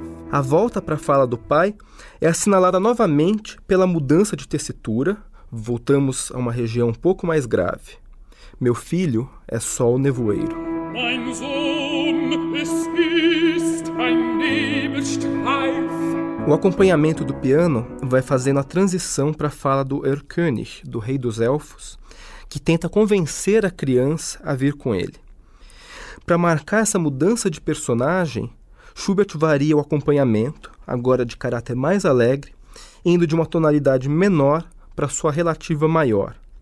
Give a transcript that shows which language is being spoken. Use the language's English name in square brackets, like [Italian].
[Portuguese] A volta para a fala do pai é assinalada novamente pela mudança de tessitura. Voltamos a uma região um pouco mais grave. Meu filho é só o nevoeiro. [German] Mein Sohn, es ist ein Nebelstreif. [Portuguese] O acompanhamento do piano vai fazendo a transição para a fala do Erlkönig, do rei dos elfos, que tenta convencer a criança a vir com ele. Para marcar essa mudança de personagem, Schubert varia o acompanhamento, agora de caráter mais alegre, indo de uma tonalidade menor para sua relativa maior.